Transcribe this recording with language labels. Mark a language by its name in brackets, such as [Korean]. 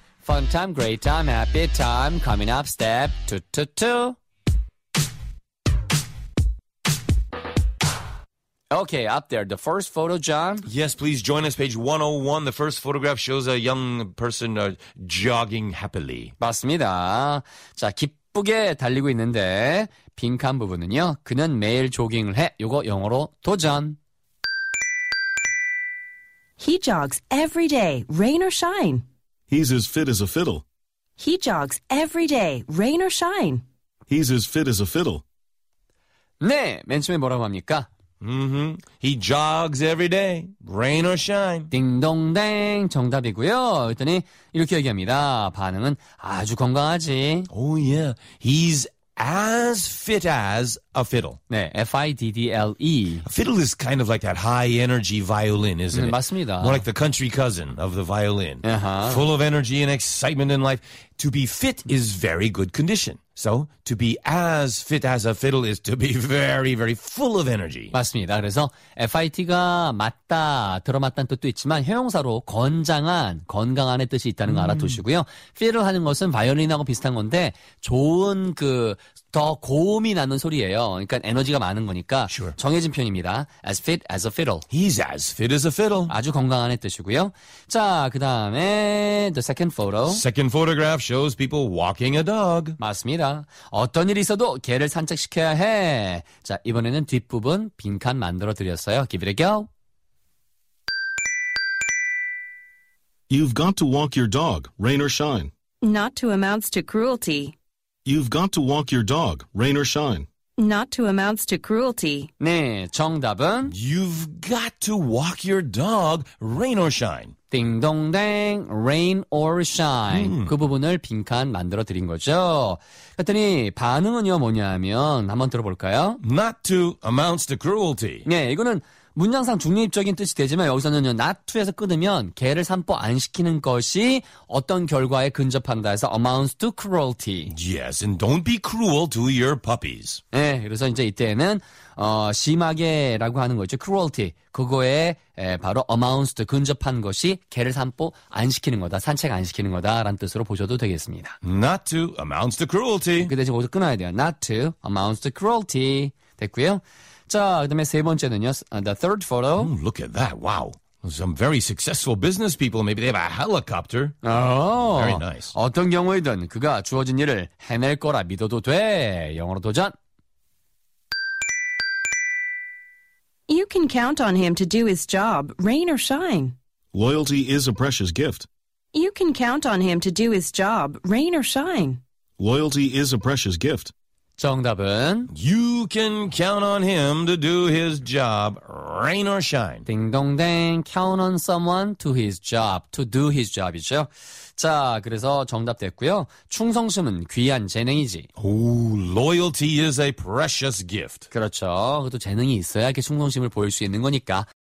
[English] Fun time, great time, happy time. Coming up, step 2-2-2. Okay, up there, the first photo, John. Yes, please join us, page 101. The first photograph shows a young person jogging happily. [Korean] 맞습니다. 자, 기쁘게 달리고 있는데 빈칸 부분은요. 그는 매일 조깅을 해. 이거 영어로 도전. [English] He jogs every day, rain or shine. He's as fit as a fiddle. He jogs every day, rain or shine. He's as fit as a fiddle. [Korean] 네, 맨 처음에 뭐라고 합니까? Mm-hmm. [English] He jogs every day, rain or shine. [Korean] 딩동댕 정답이고요. 그랬더니 이렇게 얘기합니다. 반응은 아주 건강하지. [English] Oh yeah, he's as fit as a fiddle. [Korean] 네, F-I-D-D-L-E. [English] A fiddle is kind of like that high energy violin, isn't it? [Korean] 맞습니다. [English] More like the country cousin of the violin. Uh-huh. Full of energy and excitement in life. To be fit is very good condition. So to be as fit as a fiddle is to be very, very full of energy. [Korean] 맞습니다. 그래서 FIT가 맞다, 들어맞다는 뜻도 있지만 형용사로 건장한, 건강한의 뜻이 있다는 거 알아두시고요. Fiddle 하는 것은 바이올린하고 비슷한 건데 좋은 그 더 고음이 나는 소리예요. 그러니까 에너지가 많은 거니까 [English] sure. [Korean] 정해진 표현입니다. [English] As fit as a fiddle. He's as fit as a fiddle. [Korean] 아주 건강한 뜻이고요. 자, 그 다음에 [English] the second photo. Second photograph shows people walking a dog. [Korean] 맞습니다. 어떤 일이 있어도 개를 산책시켜야 해. 자, 이번에는 뒷부분 빈칸 만들어드렸어요. [English] Give it a go. You've got to walk your dog, rain or shine. Not to amounts to cruelty. You've got to walk your dog, rain or shine. Not to amounts to cruelty. [Korean] 네, 정답은? [English] You've got to walk your dog, rain or shine. 딩동댕, rain or shine. [Korean] 그 부분을 빈칸 만들어 드린 거죠. 그랬더니 반응은요, 뭐냐면 한번 들어볼까요? [English] Not to amounts to cruelty. [Korean] 네, 이거는 문장상 중립적인 뜻이 되지만 여기서는요, not to에서 끊으면 개를 산보 안 시키는 것이 어떤 결과에 근접한다 해서 [English] amounts to cruelty. Yes, and don't be cruel to your puppies. [Korean] 네, 그래서 이제 이때는 심하게라고 하는 거죠. [English] cruelty. [Korean] 그거에 바로 amounts to 근접한 것이 개를 산보 안 시키는 거다. 산책 안 시키는 거다라는 뜻으로 보셔도 되겠습니다. [English] Not to amounts to cruelty. [Korean] 그 대신 거기서 끊어야 돼요. [English] Not to amounts to cruelty. [Korean] 됐고요. 자, 그다음에 세 번째는요. [English] The third photo. Ooh, look at that. Wow. Some very successful business people. Maybe they have a helicopter. Oh. Very nice. [Korean] 어떤 경우이든 그가 주어진 일을 해낼 거라 믿어도 돼. 영어로 도전. [English] You can count on him to do his job, rain or shine. Loyalty is a precious gift. You can count on him to do his job, rain or shine. Loyalty is a precious gift. [Korean] 정답은 [English] You can count on him to do his job, rain or shine. [Korean] 딩동댕, [English] count on someone to his job, [Korean] to do his job이죠. 자, 그래서 정답 됐고요. 충성심은 귀한 재능이지. [English] Oh, loyalty is a precious gift. [Korean] 그렇죠. 그것도 재능이 있어야 이렇게 충성심을 보일 수 있는 거니까.